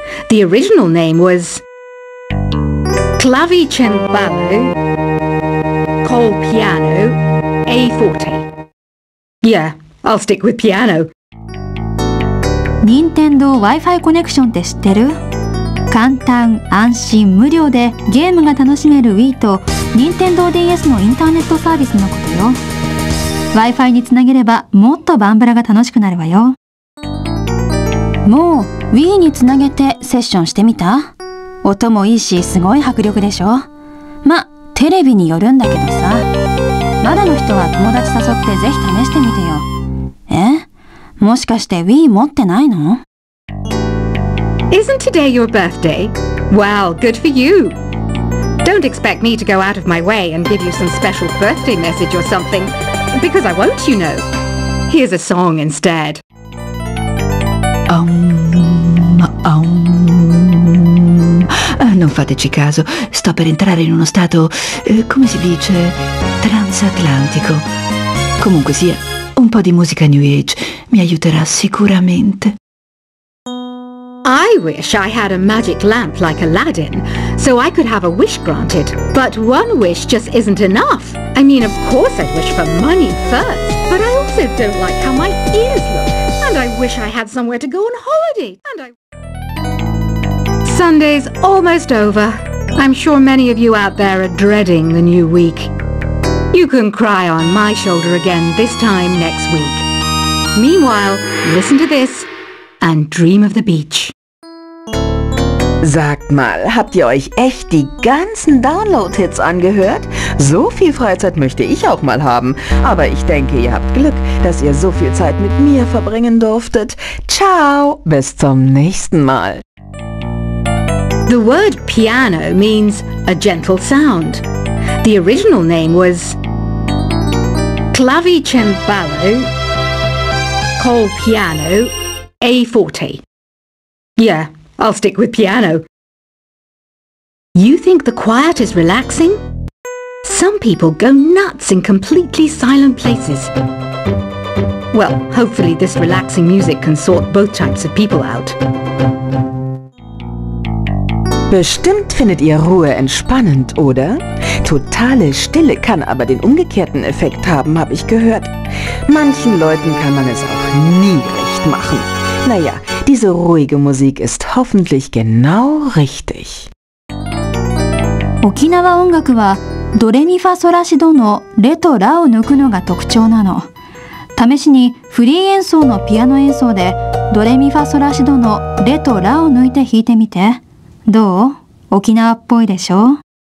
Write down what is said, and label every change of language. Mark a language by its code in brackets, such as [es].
[en] The original name was... [it] Clavicembalo, col piano, A forte. [en] Yeah, I'll stick with piano. [ja] 任天堂 Wi-Fi コネクションって知ってる？簡単、安心、無料でゲームが楽しめる Wii と任天堂 DS のインターネットサービスのことよ。 Wi-Fi につなげればもっとバンブラが楽しくなるわよ。もう Wii につなげてセッションしてみた？音もいいしすごい迫力でしょ？ま、テレビによるんだけどさ。まだの人は友達誘ってぜひ試してみてよ。え？もしかして Wii 持ってないの？ [en] Isn't today your birthday? Well, good for you. Don't expect me to go out of my way and give you some special birthday message or something. Because I won't, you know. Here's a song instead. [it] Non fateci caso. Sto per entrare in uno stato, come si dice, transatlantico. Comunque sia... Un po' di musica New Age mi aiuterà sicuramente. [en] I wish I had a magic lamp like Aladdin, so I could have a wish granted. But one wish just isn't enough. I mean, of course I'd wish for money first, but I also don't like how my ears look. And I wish I had somewhere to go on holiday. Sunday's almost over. I'm sure many of you out there are dreading the new week. You can cry on my shoulder again this time next week. Meanwhile, listen to this and dream of the beach. [de] Sagt mal, habt ihr euch echt die ganzen Download-Hits angehört? So viel Freizeit möchte ich auch mal haben. Aber ich denke, ihr habt Glück, dass ihr so viel Zeit mit mir verbringen durftet. Ciao, bis zum nächsten Mal. [en] The word piano means a gentle sound. The original name was [it] Clavicembalo col piano A forte. [en] Yeah, I'll stick with piano. You think the quiet is relaxing? Some people go nuts in completely silent places. Well, hopefully this relaxing music can sort both types of people out. [de] Bestimmt findet ihr Ruhe entspannend, oder? Totale Stille kann aber den umgekehrten Effekt haben, habe ich gehört. Manchen Leuten kann man es auch nie recht machen. Naja, diese ruhige Musik ist hoffentlich genau richtig. [ja] 沖縄音楽はドレミファソラシドのレとラを抜くのが特徴なの。試しにフリー演奏のピアノ演奏でドレミファソラシドのレとラを抜いて弾いてみて。どう？沖縄っぽいでしょ？